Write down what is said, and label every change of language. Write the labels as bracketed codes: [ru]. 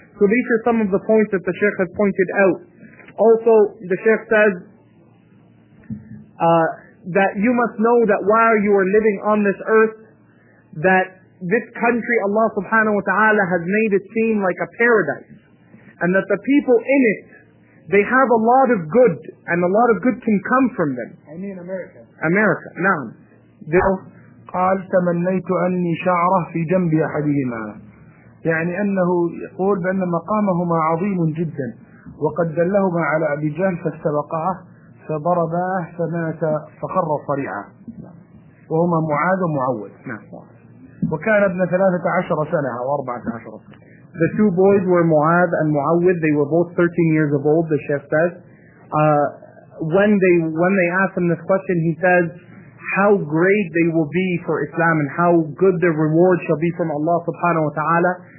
[en] So these are some of the points that the Sheikh has pointed out. Also, the Sheikh says that you must know that while you are living on this earth, that this country Allah subhanahu wa ta'ala has made it seem like a paradise. And that the people in it, they have a lot of good, and a lot of good can come from them. I mean America. America, na'am. [ar] قال تمنيت أني شعرة في جنب أحدهما. يعني أنه يقول بأن مقامهما عظيم جدا. وقد دلهما على أبي جهل فاستبقاه. فضرباه فمات فخر صريعا وهما معاذ ومعوذ. وكان ابن 13 سنة أو 14 سنة. [en] The two boys were Mu'adh and Mu'awwidh. They were both 13 years of old, the chef says. When they asked him this question, he says, how great they will be for Islam and how good their reward shall be from Allah subhanahu wa ta'ala.